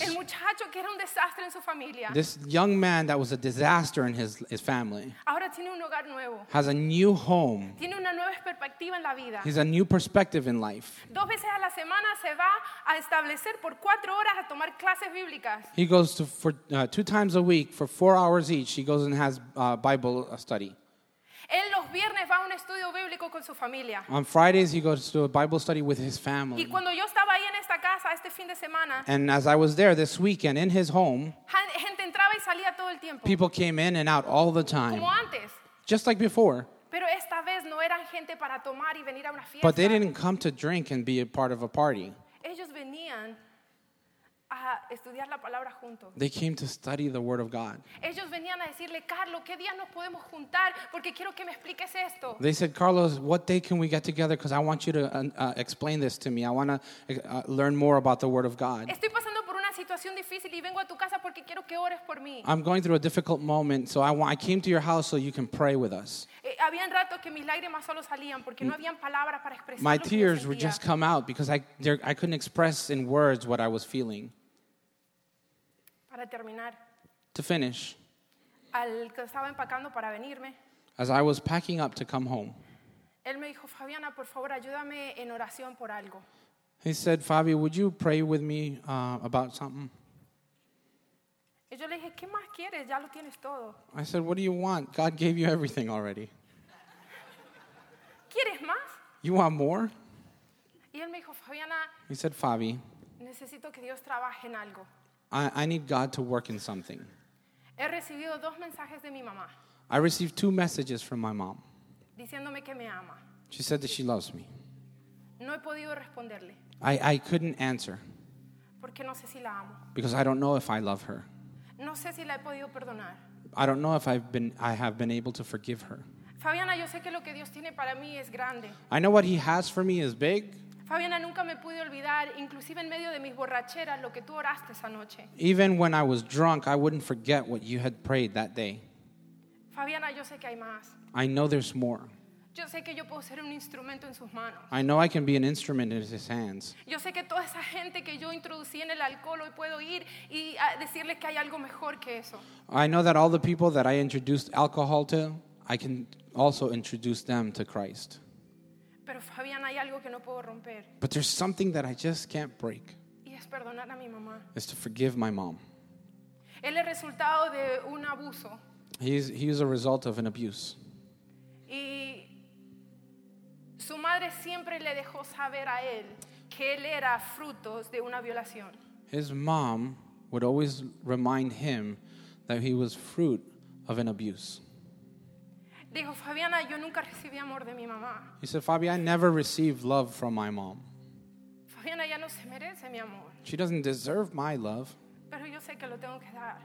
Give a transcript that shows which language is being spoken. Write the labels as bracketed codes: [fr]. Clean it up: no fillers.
[es] El muchacho que era un desastre en su familia. [en] This young man that was a disaster in his family. [es] Ahora tiene un hogar nuevo. [en] Has a new home. [es] Tiene una nueva perspectiva en la vida. [en] He's a new perspective in life. [es] Dos veces a la semana se va a establecer por 4 horas a tomar clases bíblicas. [en] He goes to two times a week for 4 hours each. He goes and has Bible study. [es] Él los viernes va a un estudio bíblico con su familia. [en] On Fridays he goes to a Bible study with his family. [es] Y cuando yo estaba ahí en esta casa este fin de semana. [en] And as I was there this weekend in his home. [es] Gente entraba y salía todo el tiempo. [en] People came in and out all the time. [es] Como antes. [en] Just like before. [es] Pero esta vez no eran gente para tomar y venir a una fiesta. [en] But they didn't come to drink and be a part of a party. [es] Ellos venían a estudiar la palabra juntos. [en] They came to study the word of God. [es] Ellos venían a decirle, Carlos, ¿qué día nos podemos juntar? Porque quiero que me expliques esto. [en] They said, Carlos, what day can we get together? Because I want you to explain this to me. I want to learn more about the word of God. [es] Estoy pasando por una situación difícil y vengo a tu casa porque quiero que ores por mí. [en] I'm going through a difficult moment, so I came to your house so you can pray with us. [es] Habían ratos que mis lágrimas solo salían porque no habían palabras para expresar lo que sentía. [en] My tears would just come out because I couldn't express in words what I was feeling. [es] Para terminar. [en] To finish. [es] Al que estaba empacando para venirme. [en] As I was packing up to come home. [es] Él me dijo, Fabiana, por favor, ayúdame en oración por algo. [en] He said, Fabi, would you pray with me about something? [es] Y yo le dije, ¿qué más quieres? Ya lo tienes todo. [en] I said, what do you want? God gave you everything already. [es] ¿Quieres más? [en] You want more? [es] Y él me dijo, Fabiana. [en] He said, Fabi. [es] Necesito que Dios trabaje en algo. [en] I need God to work in something. [es] He recibido dos mensajes de mi mamá. [en] I received 2 messages from my mom. [es] Diciéndome que me ama. [en] She said that she loves me. [es] No he podido responderle. [en] I couldn't answer. [es] Porque no sé si la amo. [en] Because I don't know if I love her. [es] No sé si la he podido perdonar. [en] I don't know if I have been able to forgive her. [es] Fabiana, yo sé que lo que Dios tiene para mí es grande. [en] I know what he has for me is big. [es] Fabiana, nunca me pude olvidar, inclusive en medio de mis borracheras, lo que tú oraste esa noche. [en] Even when I was drunk, I wouldn't forget what you had prayed that day. [es] Fabiana, yo sé que hay más. [en] I know there's more. [es] Yo sé que yo puedo ser un instrumento en sus manos. [en] I know I can be an instrument in his hands. [es] Yo sé que toda esa gente que yo introducí en el alcohol hoy puedo ir y decirles que hay algo mejor que eso. [en] I know that all the people that I introduced alcohol to, I can also introduce them to Christ. [es] Pero Fabián, hay algo que no puedo romper. [en] But there's something that I just can't break. [es] Y es perdonar a mi mamá. [en] It's to forgive my mom. [es] Él es resultado de un abuso. [en] He's a result of an abuse. [es] Y su madre siempre le dejó saber a él que él era frutos de una violación. [en] His mom would always remind him that he was fruit of an abuse. [es] Dijo, Fabiana, yo nunca recibí amor de mi mamá. [en] He said, Fabi, I never received love from my mom. [es] Fabiana ya no se merece mi amor. [en] She doesn't deserve my love. [es] Pero yo sé que lo tengo que dar.